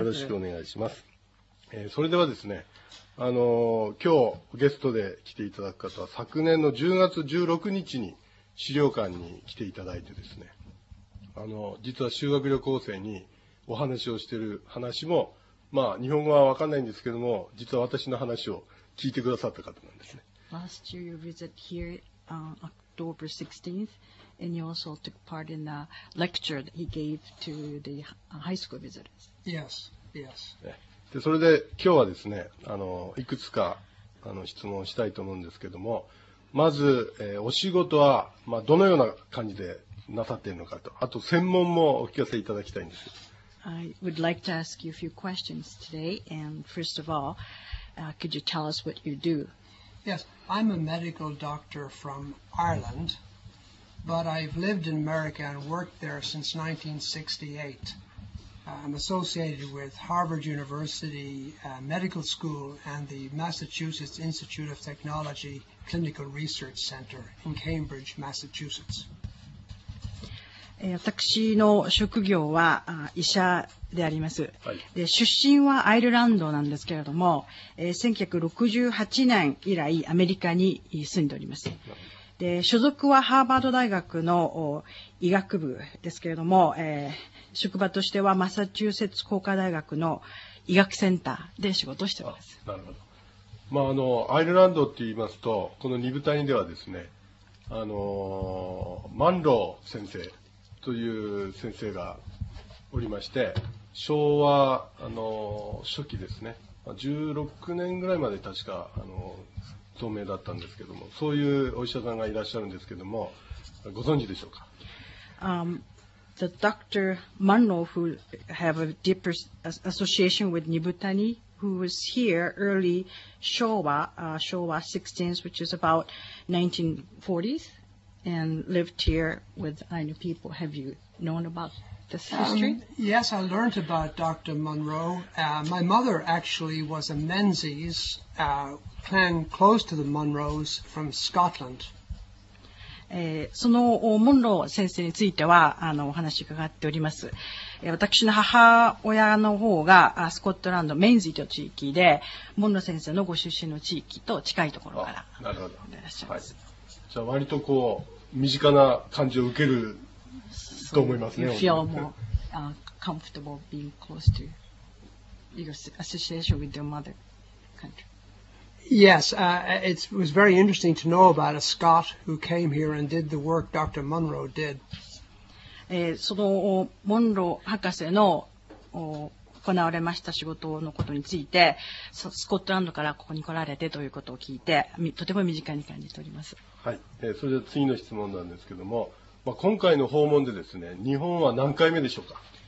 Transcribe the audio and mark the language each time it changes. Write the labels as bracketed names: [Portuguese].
[Japanese] よろしくお願いします。それではですね、今日ゲストで来ていただく方は昨年の10月16日に資料館に来ていただいてですね、実は修学旅行生にお話をしている話も、まあ日本語は分かんないんですけども、実は私の話を聞いてくださった方なんですね。 [English] Last year you visit here on October 16thAnd you also took part in the lecture that he gave to the high school visitors. Yes, yes. [Japanese] で、それで今日はですね、いくつか質問をしたいと思うんですけども、まず、お仕事は、まあ、どのような感じでなさっているのかと、あと専門もお聞かせいただきたいんです。 [English] I would like to ask you a few questions today. And first of all, could you tell us what you do? Yes, I'm a medical doctor from Ireland. But I've lived in America and worked there since 1968. I'm associated with Harvard University Medical School and the Massachusetts Institute of Technology Clinical Research Center in Cambridge, Massachusetts. [Japanese] 私の職業は医者であります、はい、で出身はアイルランドなんですけれども、1968年以来アメリカに住んでおります。で所属はハーバード大学の医学部ですけれども、職場としてはマサチューセッツ工科大学の医学センターで仕事しています。なるほど。まあ、アイルランドって言いますと、この二部隊ではですね、マンロー先生という先生がおりまして、昭和、初期ですね、16年ぐらいまで確か透明だったんですけども、そういうお医者さんがいらっしゃるんですけども、ご存知でしょうか。 [English] The Dr. Munro, who have a deeper association with Nibutani, who was here early Showa, Showa 16th, which is about 1940s, and lived here with Ainu people. Have you known about this history? Yes, I learned about Dr. Munro. My mother actually was a Menzies, clan close to the Munros from Scotland. [Japanese] そのモンロー先生についてはお話伺っております。私の母親の方がスコットランドメンズイという地域で、モンロー先生のご出身の地域と近いところから。なるほど。いらっしゃいます、はい、じゃあ割とこう身近な感じを受けると思いますね。 [English] You feel more comfortable being close to your association with your mother country Yes, it was very interesting to know about a Scot who came here and did the work Dr. Munro did. [Japanese] そのモンロー博士の行われました仕事のことについて、スコットランドからここに来られてということを聞いて、とても身近に感じております。はい、それでは次の質問なんですけども、まあ、今回の訪問でですね、日本は何回目でしょうか。